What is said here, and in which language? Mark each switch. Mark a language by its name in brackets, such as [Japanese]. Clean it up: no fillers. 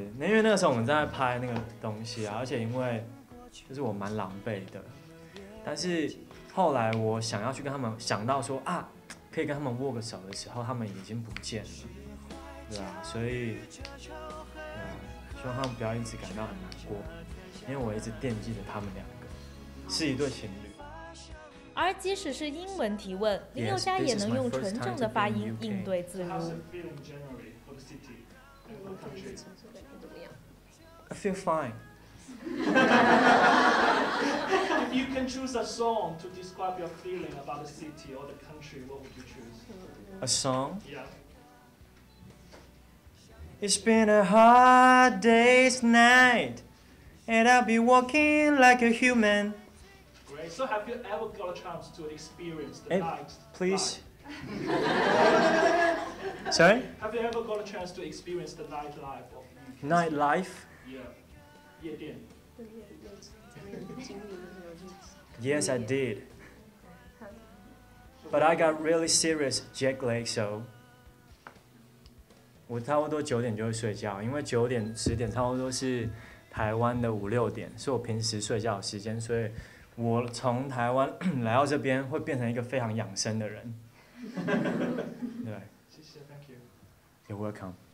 [Chinese] 因为那个时候我们在拍那个东西啊，而且因为就是我蛮狼狈的，但是后来我想要去跟他们，想到说啊，可以跟他们握个手的时候，他们已经不见了，对啊，所以，希望他们不要一直感到很难过，因为我一直惦记着他们两个，是一对情侣。而即使是英文提问，林宥嘉也能用纯正的发音应对自如。 [English] How's it feeling generally for the city? [Chinese] 考虑情绪感觉怎么样？ [English] I feel fine. If you can choose a song to describe your feeling about the city or the country, what would you choose? A song? Yeah. It's been a hard day's night, and I'll be walking like a human. Great. So have you ever got a chance to experience the night? Please. Sorry? Have you ever got a chance to experience the nightlife? Nightlife? Yeah. Yes, I did. But I got really serious jet lag, so... [Chinese] 我差不多九点就会睡觉，因为九点十点差不多是台湾的五六点，是我平时睡觉的时间，所以我从台湾来到这边会变成一个非常养生的人。对，谢谢 ， [English] Thank you。 You're welcome。